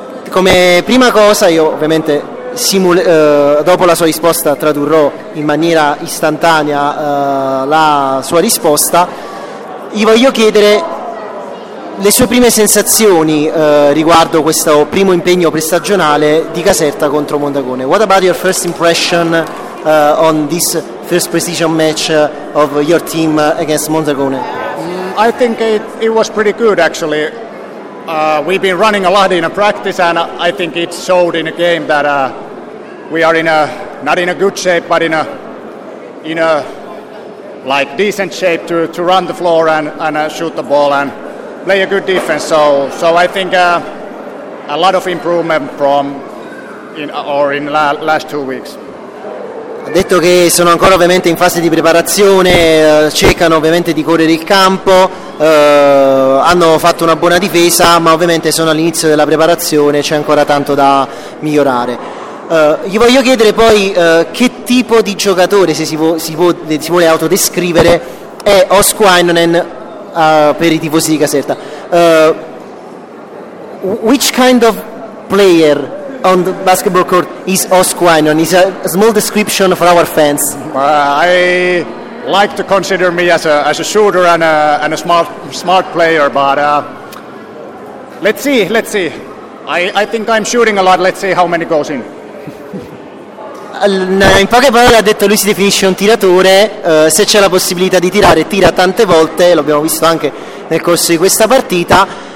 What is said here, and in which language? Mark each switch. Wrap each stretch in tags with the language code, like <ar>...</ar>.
<it>Come prima cosa, io ovviamente dopo la sua risposta tradurrò in maniera istantanea la sua risposta. Gli voglio chiedere le sue prime sensazioni riguardo questo primo impegno prestagionale di Caserta contro Mondragone.</it> <en>What about your first impression on this first precision match of your team against Mondragone? I think it was pretty good, actually. We've been running a lot in a practice, and I think it showed in a game that we are not in a good shape, but in a decent shape to run the floor and shoot the ball and play a good defense. So I think a lot of improvement in the last 2 weeks.</en> <it>Ha detto che sono ancora ovviamente in fase di preparazione, cercano ovviamente di correre il campo, hanno fatto una buona difesa, ma ovviamente sono all'inizio della preparazione, c'è ancora tanto da migliorare. Gli voglio chiedere poi che tipo di giocatore, se si vuole autodescrivere, è Osku Ainonen per i tifosi di Caserta.</it> <en>Which kind of player on the basketball court is Osku Ainonen? Is a small description for our fans. I like to consider me as a shooter and a smart player, but let's see. I think I'm shooting a lot. Let's see how many goes in.</en> <it>In poche parole ha detto, lui si definisce un tiratore, se c'è la possibilità di tirare tira tante volte, l'abbiamo visto anche nel corso di questa partita.</it>